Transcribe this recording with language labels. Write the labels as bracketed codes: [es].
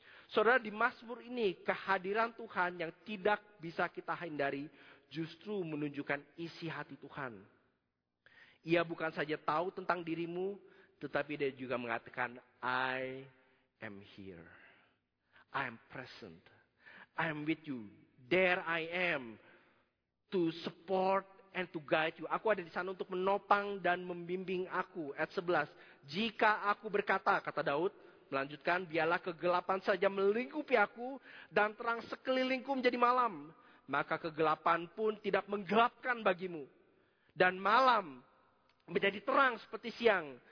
[id] Saudara, di Mazmur ini kehadiran Tuhan yang tidak bisa kita hindari justru menunjukkan isi hati Tuhan. Ia bukan saja tahu tentang dirimu, tetapi dia juga mengatakan, [en] I am here. I am present. I am with you. There I am to support and to guide you. [id] Aku ada di sana untuk menopang dan membimbing aku. Ayat 11. Jika aku berkata, kata Daud, melanjutkan, biarlah kegelapan saja melingkupi aku dan terang sekelilingku menjadi malam. Maka kegelapan pun tidak menggelapkan bagimu. Dan malam menjadi terang seperti siang.